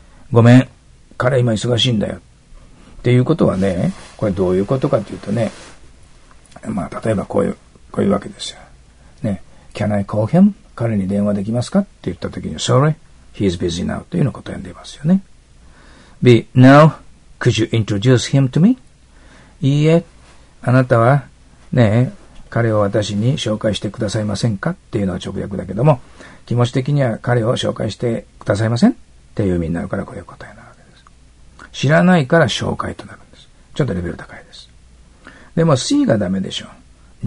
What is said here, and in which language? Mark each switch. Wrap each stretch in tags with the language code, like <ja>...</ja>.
<ja>ごめん、彼今忙しいんだよ。っていうことはね、これどういうことかというとね、まあ例えばこういうわけですよ。ね、</ja> <en>Can I call him?</en> <ja>彼に電話できますかって言った時に、</ja> <en>Sorry, he is busy now.</en> <ja>というのを答えていますよね。</ja> <en>B, No, could you introduce him to me?</en> <ja>いいえ、あなたはね、彼を私に紹介してくださいませんかっていうのは直訳だけども、気持ち的には彼を紹介してくださいませんっていう意味になるからこういう答えなわけです。知らないから紹介となるんです。ちょっとレベル高いです。でも C がダメでしょう。</ja>